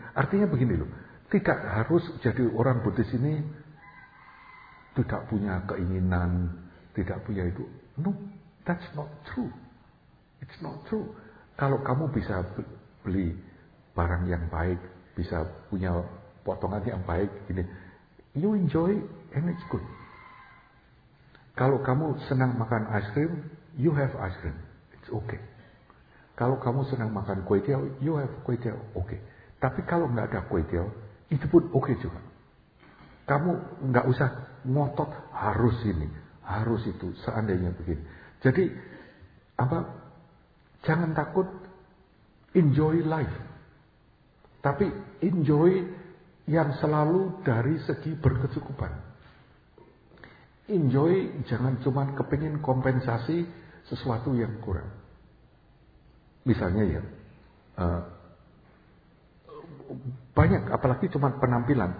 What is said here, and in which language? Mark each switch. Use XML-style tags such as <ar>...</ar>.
<id>Artinya begini loh, tidak harus jadi orang Buddhis ini tidak punya keinginan, tidak punya itu.</id> <en>No, that's not true. It's not true.</en> <id>Kalau kamu bisa beli barang yang baik, bisa punya potongan yang baik, gini, you enjoy and it's good. Kalau kamu senang makan ice cream, you have ice cream, it's okay. Kalau kamu senang makan kue tiaw, you have kue tiaw, okay. Tapi kalau nggak ada kue tiaw, itu pun okay juga. Kamu nggak usah ngotot harus ini, harus itu, seandainya begini. Jadi apa? Jangan takut, enjoy life. Tapi enjoy yang selalu dari segi berkecukupan. Enjoy jangan cuma kepingin kompensasi sesuatu yang kurang. Misalnya ya, banyak apalagi cuma penampilan.</id>